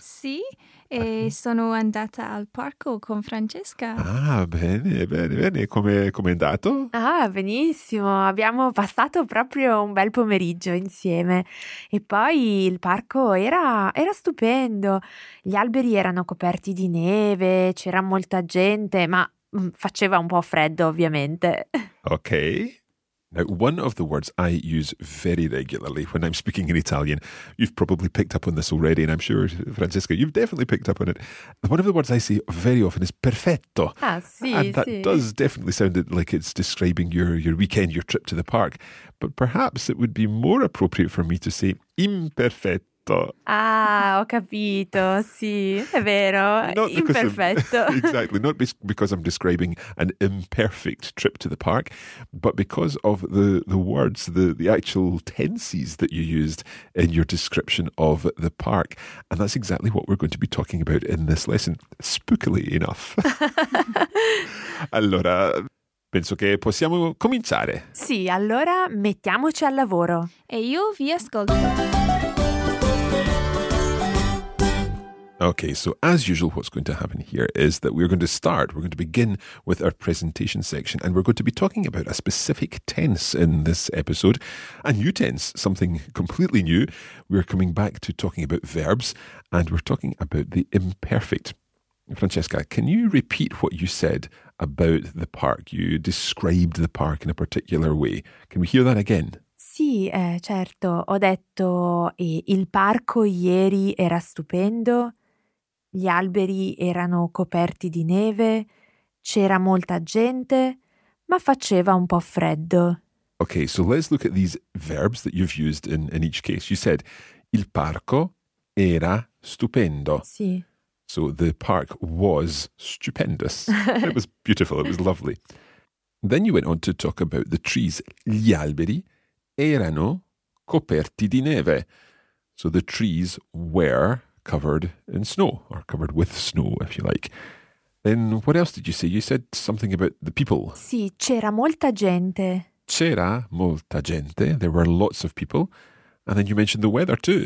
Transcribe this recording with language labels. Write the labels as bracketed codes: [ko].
[it] Sì, e sono andata al parco con Francesca. Ah, bene, bene, bene. Come è andato? Ah, benissimo. Abbiamo passato proprio un bel pomeriggio insieme. E poi il parco era stupendo. Gli alberi erano coperti di neve, c'era molta gente, ma faceva un po' freddo, ovviamente. [en] Ok. Now, one of the words I use very regularly when I'm speaking in Italian, you've probably picked up on this already, and I'm sure, Francesca, you've definitely picked up on it. One of the words I say very often is perfetto. [it] Ah, sì, [en] and that [it] sì. [en] Does definitely sound like it's describing your weekend, your trip to the park. But perhaps it would be more appropriate for me to say imperfetto. [it] Ah, ho capito, sì, è vero, imperfetto. [en] Exactly, not because I'm describing an imperfect trip to the park, but because of the words, the actual tenses that you used in your description of the park. And that's exactly what we're going to be talking about in this lesson, spookily enough. [it] Allora, penso che possiamo cominciare. Sì, allora mettiamoci al lavoro. E io vi ascolto. [en] Okay, so as usual, what's going to happen here is that we're going to begin with our presentation section, and we're going to be talking about a specific tense in this episode, a new tense, something completely new. We're coming back to talking about verbs, and we're talking about the imperfect. Francesca, can you repeat what you said about the park? You described the park in a particular way. Can we hear that again? [it] Sì, certo. Ho detto il parco ieri era stupendo. Gli alberi erano coperti di neve, c'era molta gente, ma faceva un po' freddo. [en] Okay, so let's look at these verbs that you've used in each case. You said, [it] il parco era stupendo. Sì. [en] So the park was stupendous. It was beautiful, it was lovely. Then you went on to talk about the trees. [it] Gli alberi erano coperti di neve. [en] So the trees were covered in snow, or covered with snow, if you like. Then what else did you say? You said something about the people. [it] Sì, c'era molta gente. C'era molta gente. [en] There were lots of people. And then you mentioned the weather too.